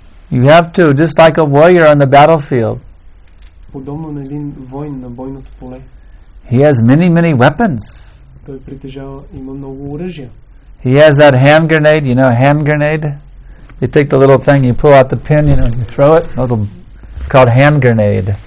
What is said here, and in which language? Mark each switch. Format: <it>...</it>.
<en>You have to, just like a warrior on the battlefield,</en> <bg>подобно на един воин на бойното поле.</bg> <en>He has many, many weapons.</en> <bg>Той притежава, има много оръжия.</bg> <en>He has that hand grenade, you know, hand grenade. You take the little thing, you pull out the pin, you know, you throw it. It's called hand grenade.</en>